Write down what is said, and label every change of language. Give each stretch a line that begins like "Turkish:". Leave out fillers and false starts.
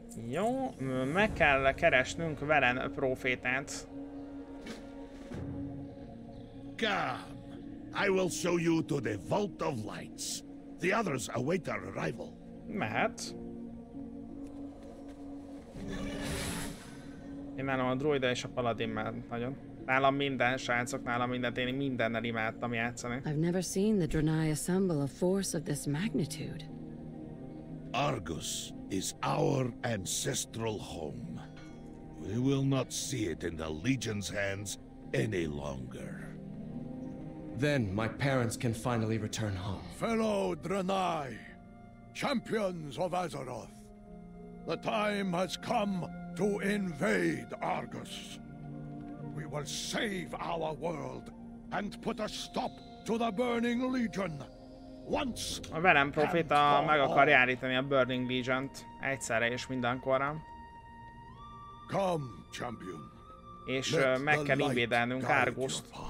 Hungarian: Jó, meg kell keresnünk Velen prófétát.
English: Come, I will show you to the Vault of Lights. The others await our arrival.
Hungarian: Mehet. Én nálam a droida és a paladin már nagyon. Nálam minden, srácok, nálam mindent, én mindennel imádtam játszani.
English: I've never seen the Draenei assemble a force of this magnitude. Argus is our ancestral home. We will not see it in the Legion's hands any longer. Then my parents can finally return home. Fellow Draenei, champions of Azeroth, the time has come to invade Argus. We will save our world and put a stop to the Burning Legion. Once.
Hungarian: A Velen proféta meg akar járítani a Burning Legion-t egyszerre és mindenkorra.
English: Come, champion.
Hungarian: És meg kell invédelnünk Argust.